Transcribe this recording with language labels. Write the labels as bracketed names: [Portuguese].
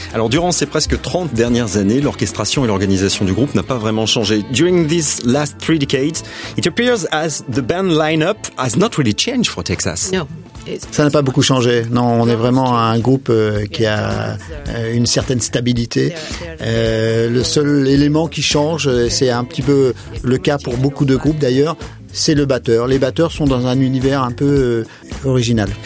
[French] Alors, durant ces presque 30 dernières années, l'orchestration et l'organisation du groupe n'a pas vraiment changé. [English] During these last three decades, it appears as the band lineup has not really changed for Texas. No. [French] Ça n'a pas beaucoup changé. Non, on est vraiment un groupe qui a une certaine stabilité. Le seul élément qui change, c'est un petit peu le cas pour beaucoup de groupes d'ailleurs, c'est le batteur. Les batteurs sont dans un univers un peu original.